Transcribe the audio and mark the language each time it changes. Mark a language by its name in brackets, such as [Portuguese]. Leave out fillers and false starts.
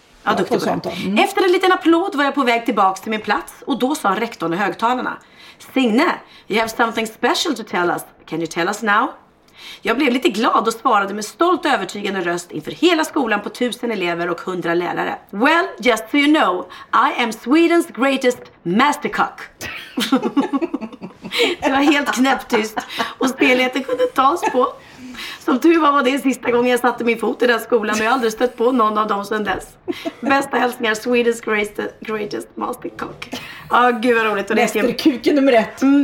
[Swedish] Ja, duktig på det. Efter en liten applåd var jag på väg tillbaka till min plats och då sa rektorn i högtalarna: [English] Signe, you have something special to tell us. Can you tell us now? [Swedish] Jag blev lite glad och svarade med stolt övertygande röst inför hela skolan på 1000 elever och 100 lärare. [English] Well, just so you know, I am Sweden's greatest mastercock. [Swedish] Det var helt knäpptyst och spelheten kunde tas på. Som tur var det sista gången jag satte min fot i den skolan och jag har aldrig stött på någon av dem sedan dess. Bästa hälsningar, [English] Sweden's greatest mastercock. [Swedish] Åh, gud vad roligt. Mästerkuken nummer 1.